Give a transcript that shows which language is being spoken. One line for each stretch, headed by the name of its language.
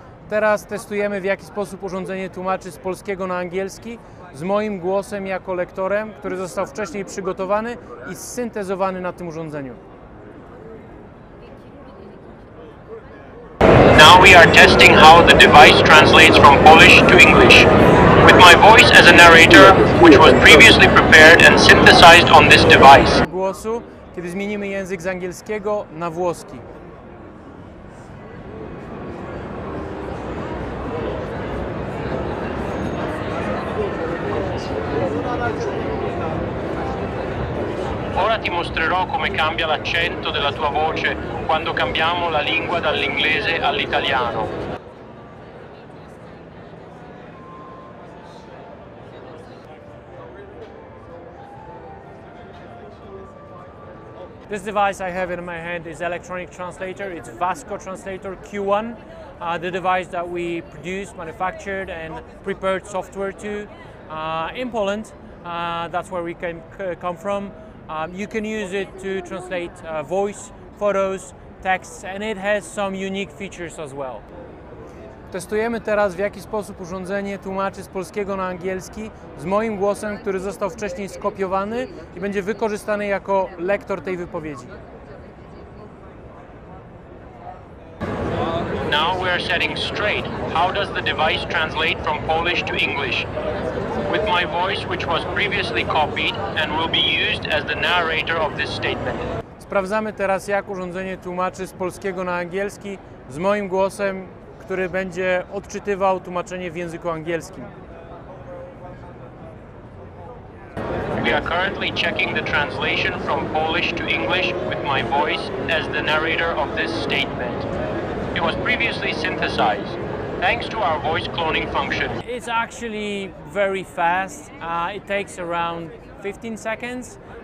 Polish: Teraz testujemy, w jaki sposób urządzenie tłumaczy z polskiego na angielski z moim głosem jako lektorem, który został wcześniej przygotowany i syntezowany na tym urządzeniu.
English: Now we are testing how the device translates from Polish to English. With my voice as a narrator, which was previously prepared and synthesized on this device.
Polish: Głosu, kiedy zmienimy język z angielskiego na włoski.
Italian: Ora ti mostrerò come cambia l'accento della tua voce quando cambiamo la lingua dall'inglese all'italiano.
English: This device I have in my hand is electronic translator. It's Vasco Translator Q1, the device that we produced, manufactured and prepared software to in Poland. That's where we came come from. You can use it to translate voice, photos, texts, and it has some unique features as well.
Polish: Testujemy teraz, w jaki sposób urządzenie tłumaczy z polskiego na angielski z moim głosem, który został wcześniej skopiowany i będzie wykorzystany jako lektor tej wypowiedzi.
English: Now we are setting straight. How does the device translate from Polish to English? With my voice, which was previously copied and will be used as the narrator of this statement.
Polish: Sprawdzamy teraz, jak urządzenie tłumaczy z polskiego na angielski z moim głosem, który będzie odczytywał tłumaczenie w języku angielskim.
English: We are currently checking the translation from Polish to English with my voice as the narrator of this statement. It was previously synthesized. Thanks to our voice cloning function. It's actually very fast. It takes around 15 seconds.